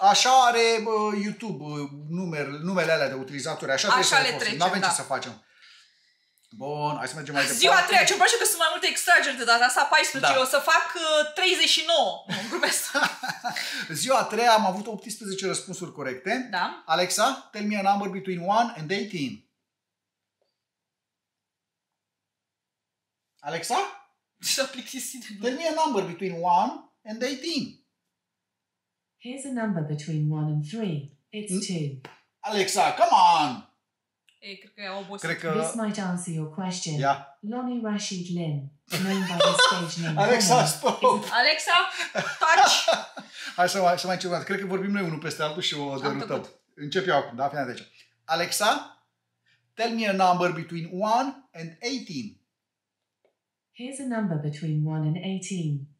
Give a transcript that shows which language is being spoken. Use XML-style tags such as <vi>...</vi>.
<ro>Așa are YouTube numele alea de utilizatori. Așa trebuie să le trecem. N-avem ce să facem. Bun, hai să mergem mai departe. Ziua a treia, ce-mi place că sunt mai multe extrageri de data asta, 14, da. O să fac 39, nu grumesc. Ziua a treia am avut 18 răspunsuri corecte. Da.</ro> <en>Alexa, tell me a number between 1 and 18. Alexa?</en> <ro>S-a plictisit.</ro> <en>Tell me a number between 1 and 18. Here's a number between 1 and 3. It's 2. Alexa, come on!</en> <ro>Ei, cred că e obosit.</ro> <en>This might answer your question. Yeah. Lonnie Rashid Lynn, known by his stage name. Alexa, stop! Alexa, touch!</en> <ro>Hai să mai încercăm. Cred că vorbim noi unul peste altul și o derutăm. Încep eu acum, da? Fii atent.</ro> <en>Alexa, tell me a number between 1 and 18. Here's a number between 1 and 18.</en>